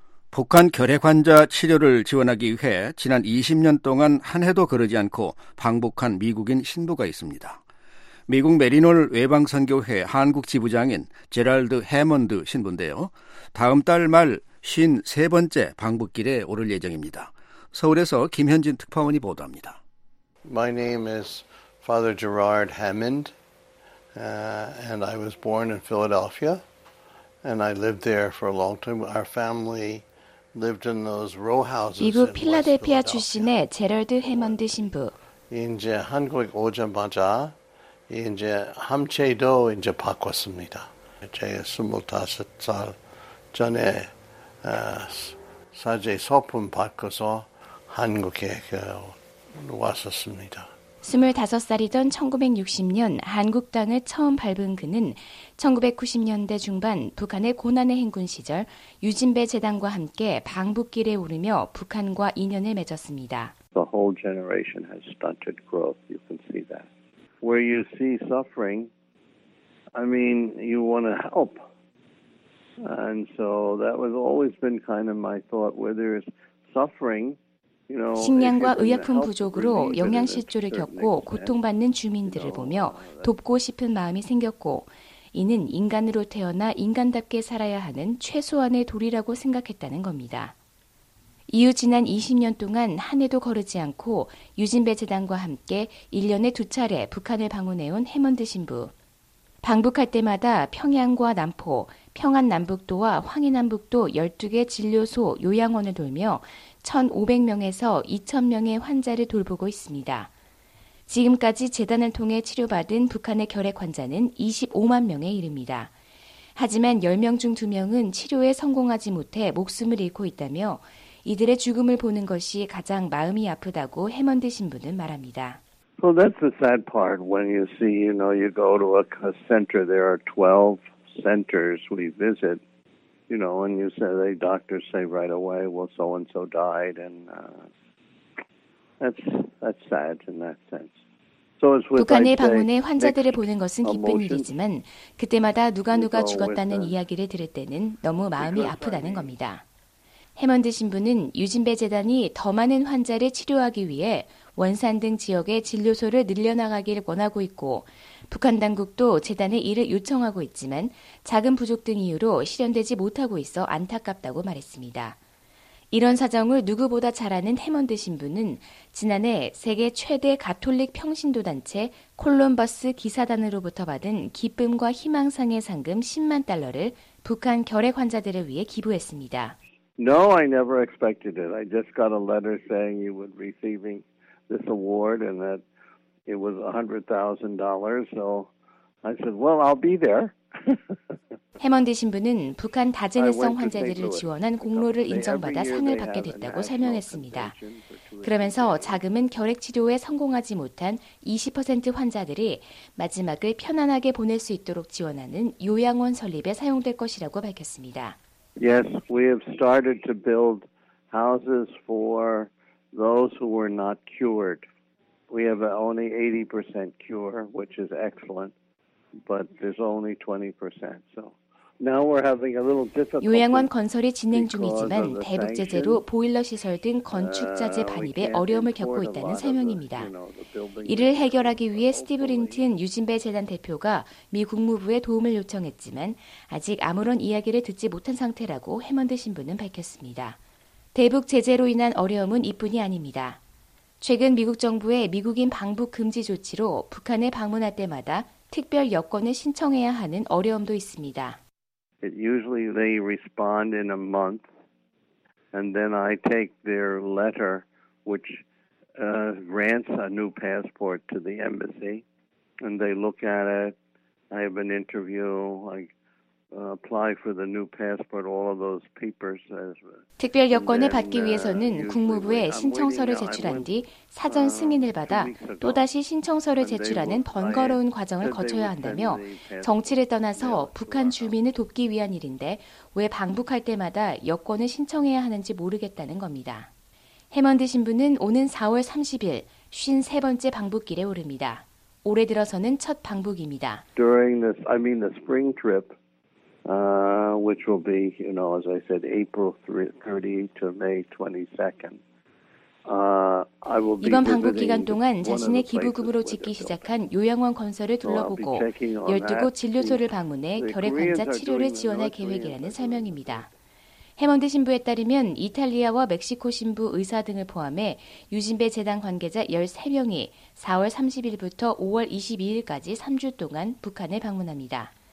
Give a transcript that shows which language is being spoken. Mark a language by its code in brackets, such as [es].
[ko] 북한 결핵 환자 치료를 지원하기 위해 지난 20년 동안 한 해도 거르지 않고 방북한 미국인 신부가 있습니다. 미국 메리놀 외방선교회 한국 지부장인 제랄드 해먼드 신부인데요. 다음 달 말 53번째 방북길에 오를 예정입니다. 서울에서 김현진 특파원이 보도합니다. [en] My name is Father Gerard Hammond, and I was born in Philadelphia, and I lived there for a long time. Our family lived in those row houses. [ko] 미국 필라델피아 출신의 제럴드 해먼드 신부. 이제 한국 오자마자 이제 함체도 이제 바꿨습니다. 제가 25살 전에 사제 소품 받고서 한국에 왔었습니다. 25살이던 1960년 한국 땅을 처음 밟은 그는 1990년대 중반 북한의 고난의 행군 시절 유진배 재단과 함께 방북길에 오르며 북한과 인연을 맺었습니다. [en] The whole generation has stunted growth. You can see that. Where you see suffering, I mean, you want to help. And so that was always been kind of my thought. Where there is suffering, [ko] 식량과 의약품 부족으로 영양실조를 겪고 고통받는 주민들을 보며 돕고 싶은 마음이 생겼고 이는 인간으로 태어나 인간답게 살아야 하는 최소한의 도리라고 생각했다는 겁니다. 이후 지난 20년 동안 한 해도 거르지 않고 유진배 재단과 함께 1년에 두 차례 북한을 방문해온 해먼드 신부. 방북할 때마다 평양과 남포, 평안남북도와 황해남북도 12개 진료소, 요양원을 돌며 1,500명에서 2,000명의 환자를 돌보고 있습니다. 지금까지 재단을 통해 치료받은 북한의 결핵 환자는 25만 명에 이릅니다. 하지만 10명 중 2명은 치료에 성공하지 못해 목숨을 잃고 있다며 이들의 죽음을 보는 것이 가장 마음이 아프다고 해먼드 신부는 말합니다. [en] So that's the sad part when you see, you know, you go to a center, there are 12 centers we visit, you know, and you say, the doctors say right away, well, so-and-so died, and that's sad in that sense. [ko] 북한에 방문해 환자들을 보는 것은 기쁜 일이지만 그때마다 누가 죽었다는 이야기를 들을 때는 너무 마음이 아프다는 겁니다. 해먼드 신부는 유진배 재단이 더 많은 환자를 치료하기 위해 원산 등 지역의 진료소를 늘려나가기를 원하고 있고 북한 당국도 재단에 이를 요청하고 있지만 자금 부족 등 이유로 실현되지 못하고 있어 안타깝다고 말했습니다. 이런 사정을 누구보다 잘 아는 해먼드 신부는 지난해 세계 최대 가톨릭 평신도 단체 콜럼버스 기사단으로부터 받은 기쁨과 희망상의 상금 10만 달러를 북한 결핵 환자들을 위해 기부했습니다. [en] No, I never expected it. I just got a letter saying you would be receiving this award and that it was $100,000. So I said, well, I'll be there. [ko] 해먼드 신부는 북한 다재내성 환자들을 지원한 공로를 인정받아 상을 받게 됐다고 설명했습니다. 그러면서 자금은 결핵 치료에 성공하지 못한 20% 환자들이 마지막을 편안하게 보낼 수 있도록 지원하는 요양원 설립에 사용될 것이라고 밝혔습니다. [en] Yes, we have started to build houses for those who were not cured. We have only 80% cure, which is excellent, but there's only 20%. So now we're having a little difficulty. [ko] 요양원 건설이 진행 중이지만 대북 제재로 보일러 시설 등 건축 자재 반입에 어려움을 겪고 있다는 설명입니다. 이를 해결하기 위해 스티브 린튼 유진배 재단 대표가 미 국무부에 도움을 요청했지만 아직 아무런 이야기를 듣지 못한 상태라고 해먼드 신부는 밝혔습니다. 대북 제재로 인한 어려움은 이뿐이 아닙니다. 최근 미국 정부의 미국인 방북 금지 조치로 북한에 방문할 때마다 특별 여권을 신청해야 하는 어려움도 있습니다. [en] It usually they respond in a month, and then I take their letter, which grants a new passport to the embassy, and they look at it. I have an interview. Apply for the new passport, all of those papers. [ko] 특별 여권을 받기 위해서는 국무부에 신청서를 제출한 뒤 사전 승인을 받아 또다시 신청서를 제출하는 번거로운 과정을 거쳐야 한다며 정치를 떠나서 북한 주민을 돕기 위한 일인데 왜 방북할 때마다 여권을 신청해야 하는지 모르겠다는 겁니다. 해먼드 신부는 오는 4월 30일 53번째 방북길에 오릅니다. 올해 들어서는 첫 방북입니다. [en] During this, I mean the spring trip. Which will be, you know, as I said, April 30 to May 22nd. I will be [ko] 이번 방북 기간 동안 자신의 기부금으로 짓기 시작한 요양원 건설을 둘러보고 12곳 진료소를 방문해 결핵 환자 치료를 지원할 계획이라는 설명입니다. 해먼드 신부에 따르면 이탈리아와 멕시코 신부 의사 등을 포함해 유진배 재단 관계자 13명이 4월 30일부터 5월 22일까지 3주 동안 북한을 방문합니다.